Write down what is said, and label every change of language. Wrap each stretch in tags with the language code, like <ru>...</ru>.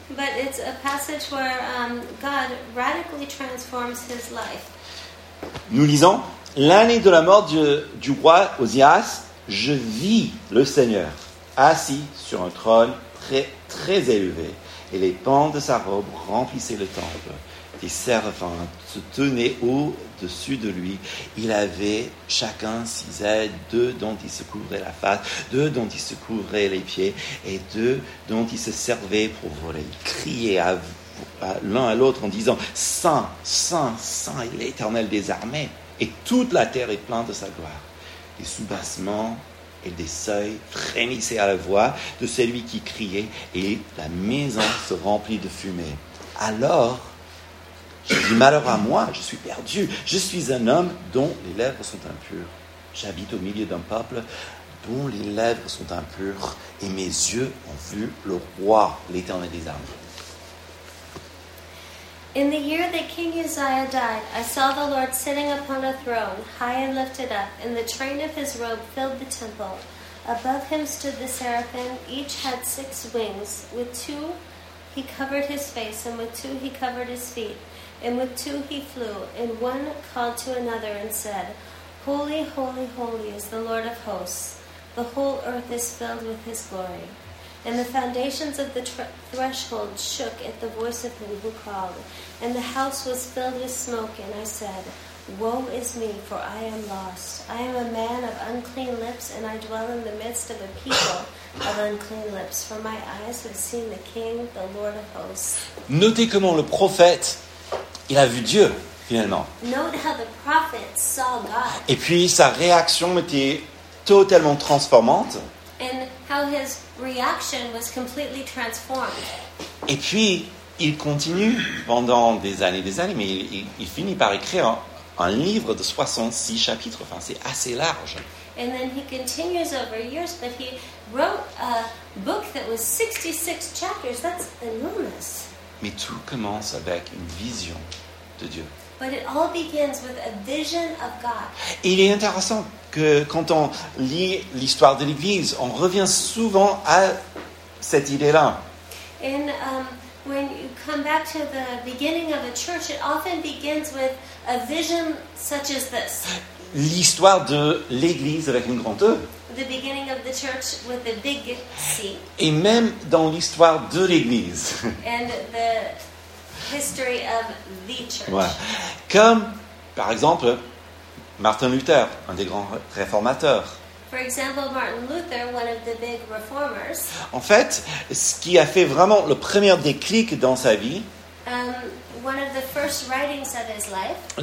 <en>But it's a passage where God radically transforms his life.</en> <fr>Nous lisons, « L'année de la mort du roi Ozias, je vis le Seigneur assis sur un trône très, très élevé, et les pans de sa robe remplissaient le temple. Des servants se tenaient au-dessus de lui. Il avait chacun six ailes, deux dont il se couvrait la face, deux dont il se couvrait les pieds, et deux dont il se servait pour voler. Il criait à l'un à l'autre en disant, « Saint, Saint, Saint est l'Éternel des armées. » Et toute la terre est pleine de sa gloire. Des soubassements et des seuils frémissaient à la voix de celui qui criait, et la maison se remplit de fumée. Alors, je dis malheur à moi, je suis perdu. Je suis un homme dont les lèvres sont impures. J'habite au milieu d'un peuple dont les lèvres sont impures, et mes yeux ont vu le roi, l'Éternel des armées.</fr> <en>In the year that King Uzziah died, I saw the Lord sitting upon a throne, high and lifted up, and the train of his robe filled the temple. Above him stood the seraphim, each had six wings. With two he covered his face, and with two he covered his feet, and with two he flew. And one called to another and said, "Holy, holy, holy is the Lord of hosts. The whole earth is filled with his glory." And the foundations of the threshold shook at the voice of him who called. And the house was filled with smoke, and I said, "Woe is me, for I am lost. I am a man of unclean lips, and I dwell in the midst of a people of unclean lips. For my eyes have seen the King, the Lord of hosts."</en> <fr>Notez comment le prophète, il a vu Dieu, finalement.</fr> <en>Note how the prophet saw God.</en> <fr>Et puis sa réaction était totalement transformante.</fr> <en>And how his reaction was completely transformed.</en> <fr>Et puis, il continue pendant des années, mais il finit par écrire un livre de 66 chapitres. Enfin, c'est assez large.</fr> <en>And then he continues over years, but he wrote a book that was 66 chapters. That's enormous.</en> <fr>Mais tout commence avec une vision de Dieu.</fr> <en>But it all begins with a vision of God.</en> <fr>Et il est intéressant que quand on lit l'histoire de l'Église, on revient souvent à cette idée-là.</fr> <en>And when you come back to the beginning of a church, it often begins with a vision such as this.</en> <fr>L'histoire de l'Église avec une grande E.</fr> <en>The beginning of the church with a big C.</en> <fr>Et même dans l'histoire de l'Église.</fr> <en>And the history of the church. Ouais.</en> <fr>Comme, par exemple, Martin Luther, un des grands réformateurs.</fr> <en>For example, Martin Luther, one of the big reformers.</en> <fr>En fait, ce qui a fait vraiment le premier déclic dans sa vie,</fr> <en>one of the first writings of his life,</en>